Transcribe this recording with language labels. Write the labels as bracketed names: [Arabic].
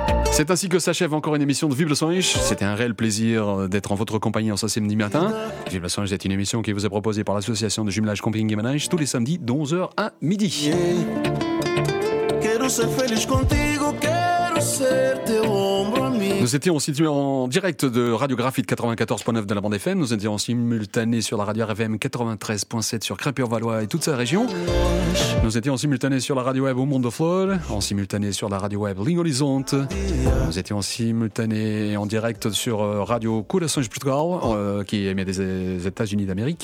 [French] C'est ainsi que s'achève encore une émission de Vibrations. C'était un réel plaisir d'être en votre compagnie en ce samedi matin. Vibrations est une émission qui vous est proposée par l'association de jumelage Camping et Manège tous les samedis de 11h à midi. Yeah. [Portuguese] Quero ser feliz contigo, quero ser teu ombro. [French] Nous étions situés en direct de Radio Graphite 94.9 de la bande FM. Nous étions en simultané sur la radio RVM 93.7 sur Crépure-Valois et toute sa région. Nous étions en simultané sur la radio web au Monde de Flore. En simultané sur la radio web Ligne Horizonte. Nous étions en simultané en direct sur Radio Corações de Portugal, qui émet des États-Unis d'Amérique.